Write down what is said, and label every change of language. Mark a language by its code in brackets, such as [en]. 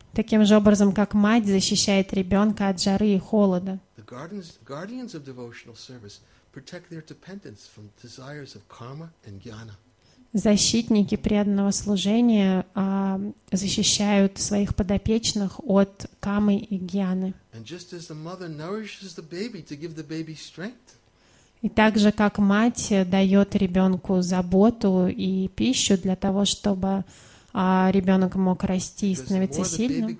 [ru] Таким же образом, как мать защищает ребенка от жары и холода. [en] The guardians of devotional service protect their dependents from desires of karma and jnana. [ru] Защитники преданного служения защищают своих подопечных от камы и гьяны. [en] And just as the mother nourishes the baby to give the baby strength. [ru] И так же, как мать дает ребенку заботу и пищу для того, чтобы а ребенок мог расти и становиться сильным.